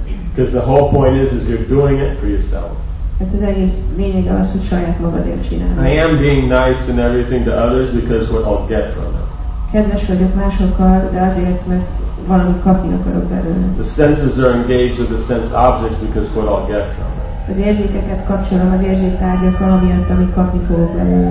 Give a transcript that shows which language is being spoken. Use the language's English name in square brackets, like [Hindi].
[English] Because the whole point is you're doing it for yourself. [Hungarian] Hát az egész lényeg az, hogy saját magadért csinálod. [English] I am being nice and everything to others because what I'll get from it. [Hungarian] Kedves vagyok másokkal, de azért, mert valamit kapni akarok belőle. [English] The senses are engaged with the sense objects because what I'll get from it. [Hungarian] Az érzékeket kapcsolom, az érzéktárgyak valamiatt, amit kapni fogok belőle.